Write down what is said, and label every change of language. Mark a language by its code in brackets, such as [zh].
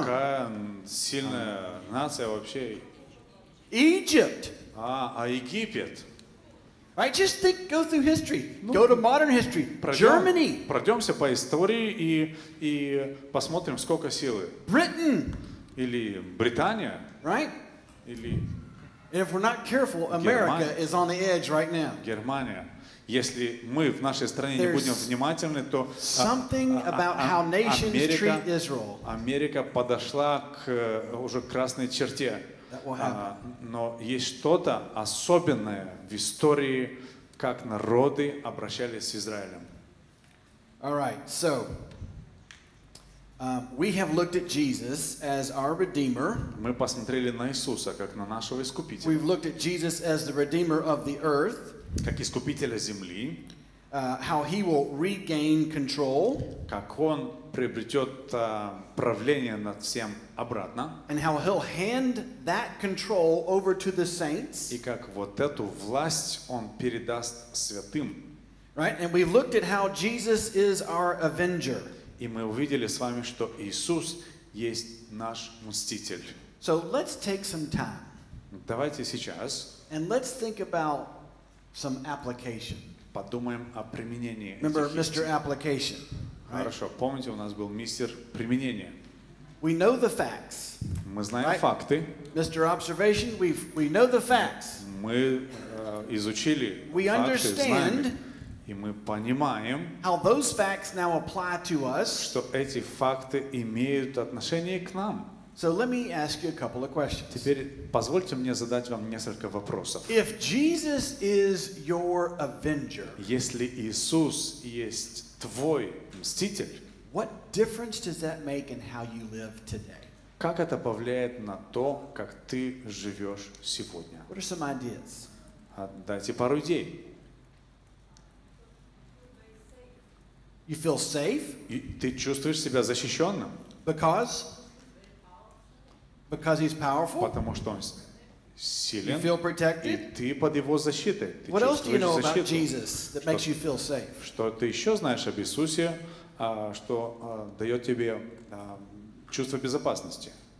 [ru] Такая сильная нация вообще. [en] Egypt. [ru] А Египет. [en] Right, just think, go through history. Ну, go to modern history. Germany. [ru] Пройдемся по истории и посмотрим, сколько силы. [en] Britain. [ru] Или Британия. [en] Right? [ru] Или. [en] And if we're not careful, America is on the edge right now. [ru] Германия. Если мы в нашей стране не будем внимательны, то [en] something about how nations treat Israel. [ru] Америка подошла к уже красной черте. Но есть что-то особенное в истории, как народы обращались с Израилем. [en] All right, so we have looked at Jesus as our redeemer. [ru] Мы посмотрели на Иисуса как на нашего искупителя. [en] We've looked at Jesus as the redeemer of the earth. [ru] Как искупителя земли. [en] how he will regain control. [ru] Как он приобретет правление над всем обратно. [en] And how he'll hand that control over to the saints. [ru] И как вот эту власть он передаст святым. [en] Right? And we looked at how Jesus is our avenger. [ru] И мы увидели с вами, что Иисус есть наш мститель. [en] So let's take some time. [ru] Давайте сейчас. [en] And let's think about some application. [ru] Подумаем о применении. [en] Remember, Mr. Application. [ru] Хорошо, помните, у нас был мистер применения. [en] We know the facts. [ru] Мы знаем факты. [en] Mr. Observation, we know the facts. [ru] Мы изучили факты. [en] We understand. [ru] И мы понимаем, [en] how those facts now apply to us. [ru] Что эти факты имеют отношение к нам. [en] So let me ask you a couple of questions. [ru] Теперь позвольте мне задать вам несколько вопросов. [en] If Jesus is your avenger, [ru] если Иисус есть твой мститель, [en] what difference does that make in how you live today? [ru] Как это повлияет на то, как ты живешь сегодня? [en] What are some ideas? [ru] Дайте пару идей. [en] You feel safe? [ru] Ты чувствуешь себя защищенным? [en] Because? Because he's powerful? [ru] Потому что он силен. [en] You feel protected? [ru] И ты под его защитой. Ты [en] What else do you know about Jesus that makes you feel safe? [ru] Что ты еще знаешь об Иисусе, что дает тебе чувство безопасности?